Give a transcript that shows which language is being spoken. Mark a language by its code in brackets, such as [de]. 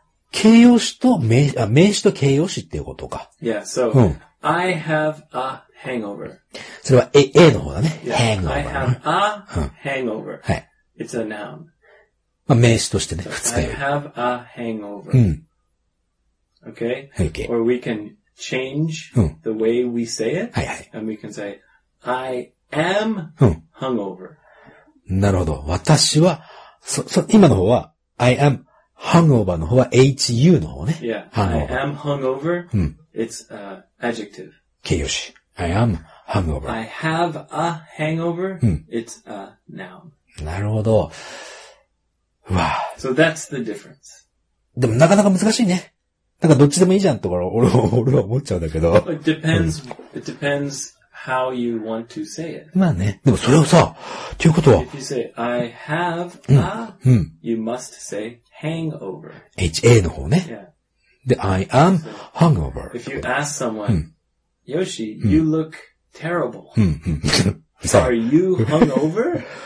[ja] 形容詞と名詞と形容詞っていうことか。 [en] Yeah, so,、うん、I have a hangover. [ja] それは A の方だね。Yeah, hangover. [en] I have a hangover.、 [ja] うん、はい。 [en] It's a noun. [ja] まあ名詞としてね、二つ [en] 目。I have a hangover.、 [ja] うん [en] Okay? Okay. Or we can change、うん、the way we say it. [ja] はいはい。 [en] And we can say, I am、うん、hungover. [ja] なるほど。私は、今の方は、 [en] I am hungover [ja] の方は HU の方ね。 [en] Yeah.、Hungover. I am hungover.、 [ja] うん、 [en] It's an adjective. [ja] 形容詞。 [en] I am hungover. I have a hangover.、 [ja] うん、 [en] It's a noun. [ja] なるほど。わあ。 [en] So that's the difference. [ja] でもなかなか難しいね。なんかどっちでもいいじゃんとか俺は思っちゃうんだけど。 [en] It depends. It depends how you want to say it. [ja] まあね。でもそれをさ、ということは。 [en] If you say I have a,、 [ja] うん、 [en] you must say hangover. [ja] H-A の方ね。 [en] Yeah. で、I am hungover. If you ask someone,、うん、Yoshi, you look terrible. [ja] うんうん、 [en] Are you hungover?